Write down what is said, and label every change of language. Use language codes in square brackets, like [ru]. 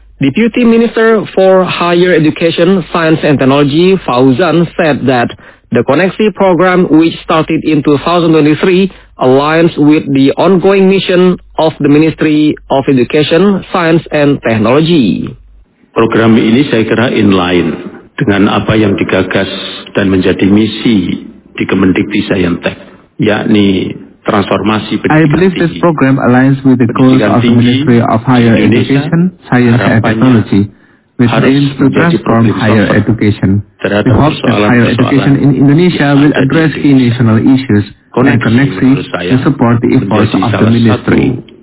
[en] Deputy Minister for Higher Education, Science and Technology, Fauzan, said that the CONNEXI program, which started in 2023, aligns with the ongoing mission of the Ministry of Education, Science and Technology. [id] Program ini saya kira [en] in line [id] dengan apa yang digagas dan menjadi misi di Kemendikti Saintek, yakni transformasi pendidikan. [en] I believe this program aligns with the goals of the Ministry of Higher Education, Science and Technology, which aims to transform higher education. We hope that higher education in Indonesia will address key national issues and connectivity to support the efforts of the ministry.